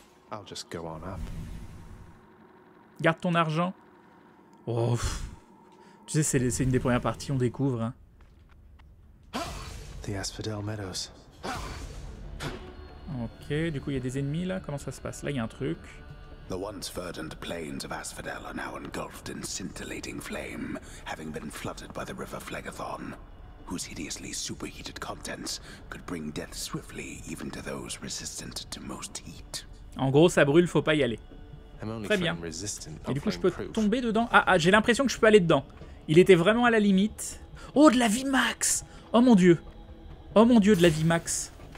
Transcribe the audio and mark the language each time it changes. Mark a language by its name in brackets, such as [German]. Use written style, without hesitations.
[English] I'll just go on up. [French] Garde ton argent. Oh, pff. Tu sais, c'est une des premières parties, on découvre. Hein. [English] The Asphodel Meadows. [French] Ok, du coup il y a des ennemis là, comment ça se passe? Là il y a un truc. [English] The once verdant plains of Asphodel are now engulfed in scintillating flame, having been flooded by the river Phlegethon. whose hideously superheated contents could bring death swiftly even to those resistant to most heat. [French] En gros, ça brûle, faut pas y aller. Très bien. Et du coup, je peux tomber dedans. Ah, j'ai l'impression que je peux aller dedans. Il était vraiment à la limite. Oh, de la vie max. Oh mon dieu. Oh mon dieu, de la vie max.